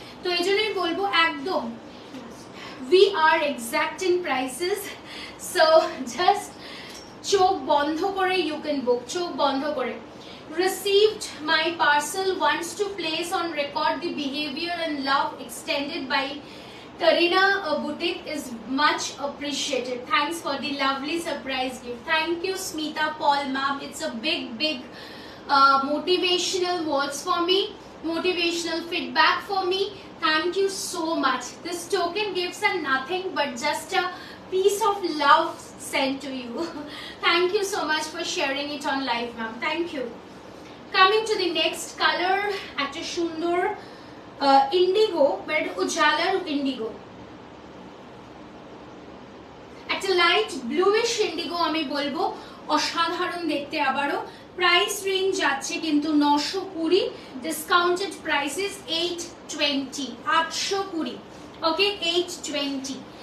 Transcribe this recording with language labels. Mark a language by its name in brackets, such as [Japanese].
[Bangla] তো এই জন্যই বলবো একদম [English] we are exact in prices, so just [Bangla] চোখ বন্ধ করে [English] you can book, [Bangla] চোখ বন্ধ করে। [English] Received my parcel, wants to place on record the behaviour and love extended by Tarina Boutique is much appreciated. Thanks for the lovely surprise gift. Thank you, Smita Paul ma'am. It's a big, big motivational words for me, motivational feedback for me. Thank you so much. This token gifts are nothing but just a piece of love sent to you. Thank you so much for sharing it on live, ma'am. Thank you. Coming to the next color, at a shundur. [Bangla] Indigo, but উজালার Indigo, একটা [English] light bluish indigo [Bangla] আমি বলবো, অসাধারণ দেখতে। আবারও [English] Price range যাচ্ছে কিন্তু 920, discounted price is 820, 820, okay? 820।